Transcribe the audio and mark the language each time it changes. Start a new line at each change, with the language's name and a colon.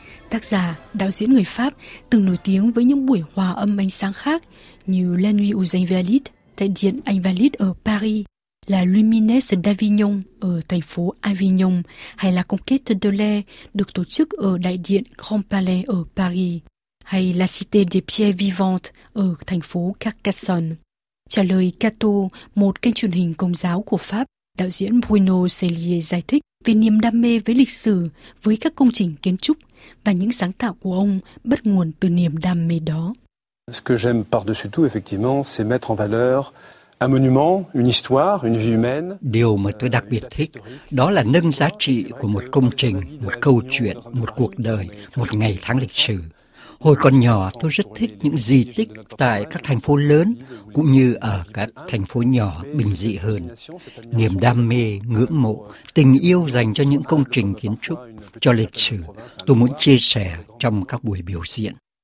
Vietnamese: Tác giả, đạo diễn người Pháp từng nổi tiếng với những buổi hòa âm ánh sáng khác như La Nuit aux Invalides tại Điện Invalides ở Paris, La Lumineuse d'Avignon ở thành phố Avignon hay La Conquête de l'Air được tổ chức ở Đại Điện Grand Palais ở Paris hay La Cité des Pierres Vivantes ở thành phố Carcassonne. Trả lời Cato, một kênh truyền hình công giáo của Pháp, đạo diễn Bruno Cellier giải thích về niềm đam mê với lịch sử, với các công trình kiến trúc và những sáng tạo của ông bắt nguồn từ niềm đam mê đó.
French: Ce que j'aime par-dessus tout, effectivement, c'est mettre en valeur un monument, une histoire, une vie humaine.
Vietnamese: Điều mà tôi đặc biệt thích đó là nâng giá trị của một công trình, một câu chuyện, một cuộc đời, một ngày tháng lịch sử. Hồi còn nhỏ, tôi rất thích những di tích tại các thành phố lớn cũng như ở các thành phố nhỏ bình dị hơn. Niềm đam mê, ngưỡng mộ, tình yêu dành cho những công trình kiến trúc, cho lịch sử, tôi muốn chia sẻ trong các buổi biểu diễn.